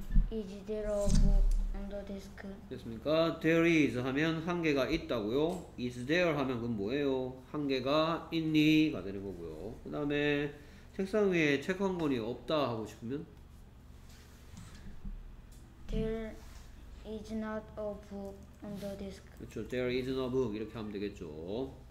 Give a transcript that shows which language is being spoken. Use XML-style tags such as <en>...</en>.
<en>Is there a book on the desk?</en> <ko>됐습니까?</ko> <en>There is</en> <ko>하면 한 개가 있다고요.</ko> <en>Is there</en> <ko>하면 그건 뭐예요? 한 개가 있니? 가 되는 거고요. 그 다음에 책상 위에 책 한 권이 없다 하고 싶으면</ko> <en>There is not a book on the desk.</en> <ko>그렇죠.</ko> <en>There is not a book</en> <ko>이렇게 하면 되겠죠.</ko>